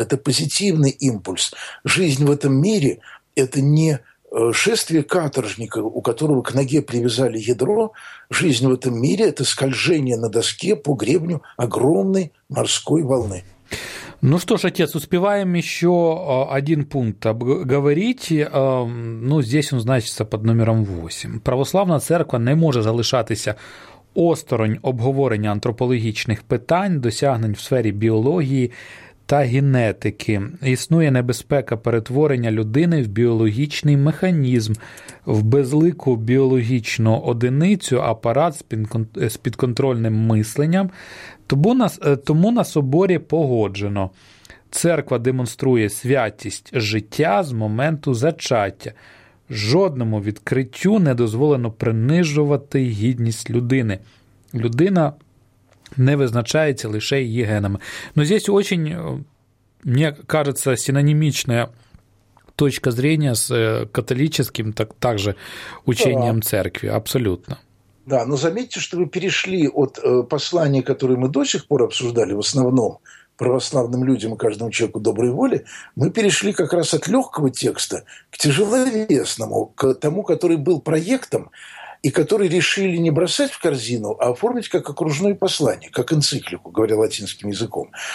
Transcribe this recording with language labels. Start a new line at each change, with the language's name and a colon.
Russian: Это позитивный импульс. Жизнь в этом мире – это не шествие каторжника, у которого к ноге привязали ядро. Жизнь в этом мире – это скольжение на доске по гребню огромной морской волны. Ну что ж, отец, успеваем еще один пункт обговорить. Ну, здесь он значится под номером 8.
Ukrainian: Православна церква не може залишатися осторонь обговорення антропологічних питань, досягнень в сфері біології та генетики. Існує небезпека перетворення людини в біологічний механізм, в безлику біологічну одиницю, апарат з підконтрольним мисленням. Тому на соборі погоджено. Церква демонструє святість життя з моменту зачаття. Жодному відкриттю не дозволено принижувати гідність людини. Людина не визначається лише її генами.
Russian: Ну, здесь очень, мені кажется, синонімічна точка зрення з католическим, так же, учением церкви. Абсолютно. Да, но заметьте, что вы перешли от послания, которое мы до сих пор обсуждали в основном православным людям и каждому человеку доброй воли, мы перешли как раз от легкого текста к тяжеловесному, к тому, который был проектом и который решили не бросать в корзину, а оформить как окружное послание, как энциклику, говоря латинским языком.